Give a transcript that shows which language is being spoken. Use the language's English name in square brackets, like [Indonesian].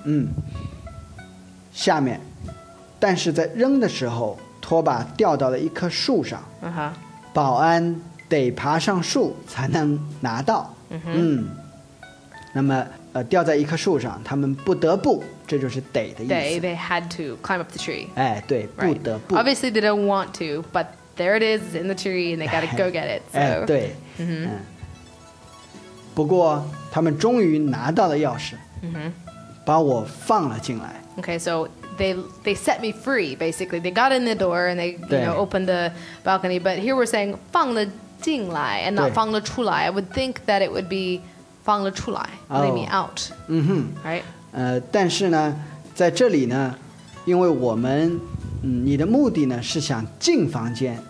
[Chinese] 嗯下面但是在扔的时候拖把掉到了一棵树上、 uh-huh. 保安得爬上树才能拿到、 mm-hmm. 嗯那么掉在一棵树上他们不得不这就是得的意思 [English] they had to climb up the tree [Chinese] 哎对、 [English] right. [Chinese] 不得不 [English] obviously they don't want to but there it is in the tree and they gotta go get it、so. [Chinese] 哎对、 mm-hmm. 嗯、不过他们终于拿到了钥匙 Mm-hmm. 把我放了进来 [English] Okay, so they set me free, basically They got in the door and they you know, opened the balcony But here we're saying 放了进来 And not 放了出来 I would think that it would be 放了出来 Let、 me out、 mm-hmm. Right? [Chinese] 但是呢在这里呢因为我们、你的目的呢是想进房间